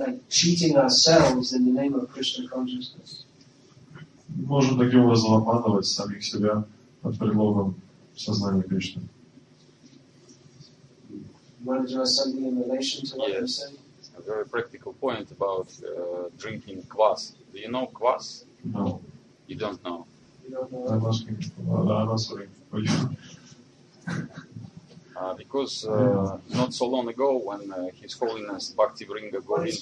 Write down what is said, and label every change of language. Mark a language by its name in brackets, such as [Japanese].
[English] Cheating ourselves in the name of Krishna consciousness? [Russian] Можем таким образом обманывать самих себя под предлогом сознания Кришны. [English] Yes. A very practical point about drinking kvass. Do you know kvass? No. You don't know. I'm asking. I'm answering for you. Because not so long ago, when His Holiness Bhaktivrinda Govind.